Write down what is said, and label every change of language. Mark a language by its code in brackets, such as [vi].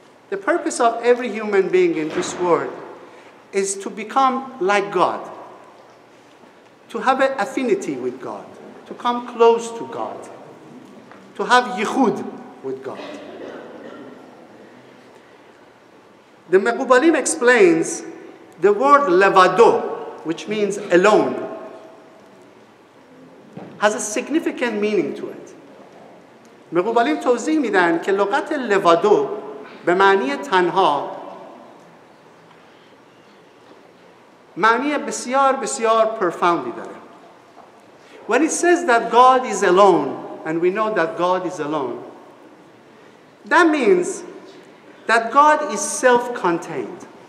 [en] The purpose of every human being in this world is to become like God, to have an affinity with God, to come close to God, to have yichud with God. The Mequbalim explains the word levado, which means alone, has a significant meaning to it. [fa] مقبولین توضیح میدن که لغت لوادو به معنی تنها معنی بسیار بسیار پرفاندی داره. [en] When it says that God is alone, and we know that God is alone, that means that God is self-contained.